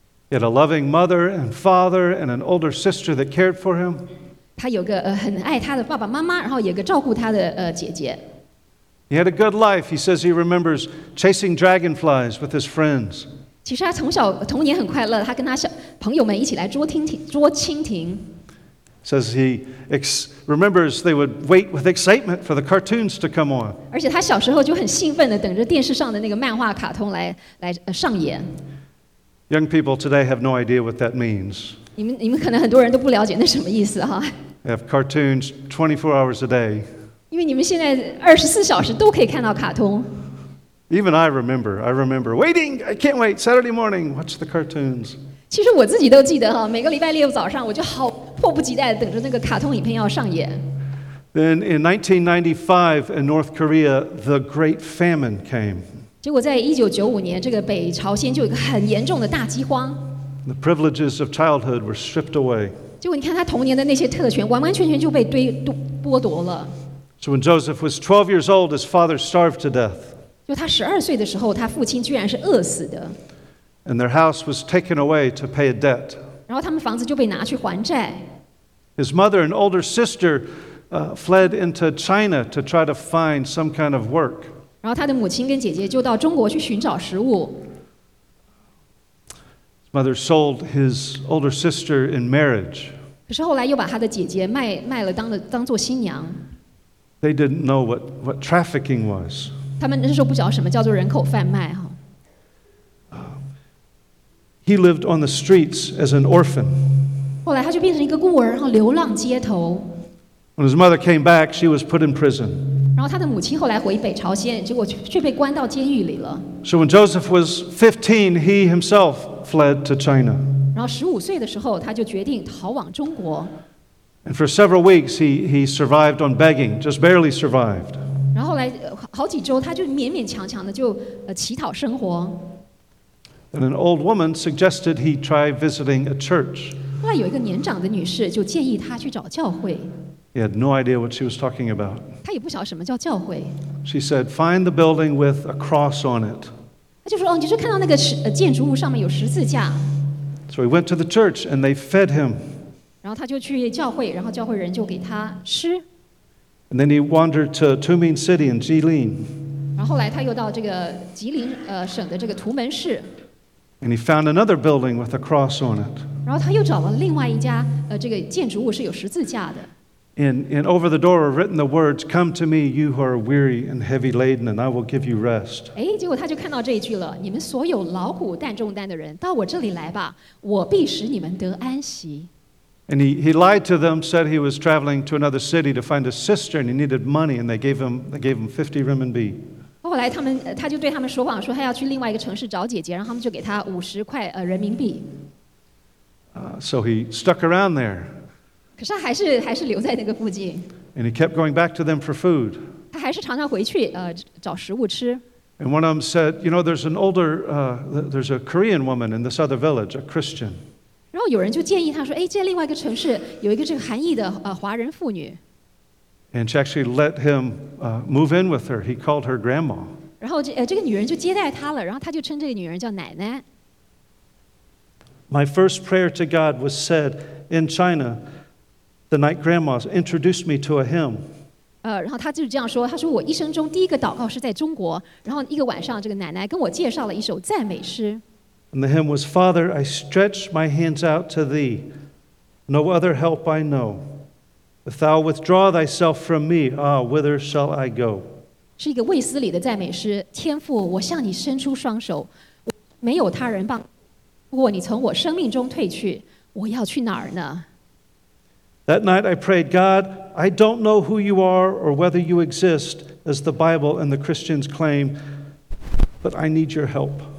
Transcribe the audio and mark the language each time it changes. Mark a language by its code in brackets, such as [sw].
[en] He had a loving mother and father and an older sister that cared for him. [zh] 他有个很爱他的爸爸妈妈，然后有个照顾他的姐姐。 [en] He had a good life. He says he remembers chasing dragonflies with his friends. [zh] 其实他从小童年很快乐，他跟他小朋友们一起来捉蜻蜓。 [en] Says he remembers they would wait with excitement for the cartoons to come on. [zh] 而且他小时候就很兴奋的等着电视上的那个漫画卡通来上演。 [en] Young people today have no idea what that means. [zh] 你们可能很多人都不了解那什么意思哈。 [en] They have cartoons 24 hours a day. [zh] 因为你们现在24小时都可以看到卡通。 [en] Even I remember waiting. I can't wait. Saturday morning, watch the cartoons. [zh] 其实我自己都记得哈，每个礼拜六早上我就好迫不及待等着那个卡通影片要上演。 [en] Then in 1995 in North Korea, the Great Famine came. [zh] 结果在1995年，这个北朝鲜就有一个很严重的大饥荒。 [en] The privileges of childhood were stripped away. [zh] 结果你看他童年的那些特权完完全全就被剥夺了。 [en] So when Joseph was 12 years old, his father starved to death. [zh] 就他十二岁的时候，他父亲居然是饿死的。 [en] And their house was taken away to pay a debt. [zh] 然后他们房子就被拿去还债。 [en] His mother and older sister fled into China to try to find some kind of work. [zh] 然后他的母亲跟姐姐就到中国去寻找食物。 [en] mother sold his older sister in marriage. [zh] 可是后来又把他的姐姐卖了当做新娘。 [en] They didn't know what trafficking was. [zh] 他们那时候不晓得什么叫做人口贩卖。 [en] He lived on the streets as an orphan. [zh] 后来他就变成一个孤儿，然后流浪街头。 [en] When his mother came back, she was put in prison. [zh] 然后他的母亲后来回北朝鲜，结果却被关到监狱里了。 [en] So when Joseph was 15, he himself fled to China. [zh] 然后15岁的时候，他就决定逃往中国。 [en] And for several weeks, he survived on begging, just barely survived. [zh] 然后后来好几周，他就勉勉强强的就乞讨生活。 [en] And an old woman suggested he try visiting a church. [zh] 后来有一个年长的女士就建议他去找教会。 [en] He had no idea what she was talking about. [zh] 他也不晓得什么叫教会。 [en] She said, "Find the building with a cross on it." [zh] 他就说，哦，你是看到那个建筑物上面有十字架。 [en] So he went to the church, and they fed him. [zh] 然后他就去教会，然后教会人就给他吃。 [en] And then he wandered to Tumen City in Jilin. [zh] 然后后来他又到这个吉林省的这个图门市。 [en] And he found another building with a cross on it. [zh] 然后他又找了另外一家这个建筑物是有十字架的。 [en] And over the door are written the words, "Come to me, you who are weary and heavy laden, and I will give you rest." [zh] 哎，结果他就看到这一句了。你们所有劳苦担重担的人，到我这里来吧，我必使你们得安息。 [en] And he lied to them, said he was traveling to another city to find a sister, and he needed money, and they gave him 50 renminbi. [zh] 后来他就对他们说谎，说他要去另外一个城市找姐姐，然后他们就给他50块人民币。 [en] So he stuck around there. [zh] 可是他还是留在那个附近。 [en] And he kept going back to them for food. [zh] 他还是常常回去找食物吃。 [en] And one of them said, "You know, there's an older there's a Korean woman in this other village, a Christian." [zh] 然后有人就建议他说，哎，这另外一个城市有一个这个韩裔的华人妇女。 [en] And she actually let him move in with her. He called her grandma. [zh] 然后这个女人就接待他了，然后他就称这个女人叫奶奶。 [en] My first prayer to God was said in China, the night grandma introduced me to a hymn. [zh] 然后他就这样说，他说我一生中第一个祷告是在中国，然后一个晚上这个奶奶跟我介绍了一首赞美诗。 [en] And the hymn was, "Father, I stretch my hands out to thee, no other help I know. If thou withdraw thyself from me, ah, whither shall I go?" [zh] 是一个卫斯理的赞美诗。天父，我向你伸出双手，没有他人帮。如果你从我生命中退去，我要去哪儿呢？ [en] That night I prayed, "God, I don't know who you are or whether you exist, as the Bible and the Christians claim, but I need your help."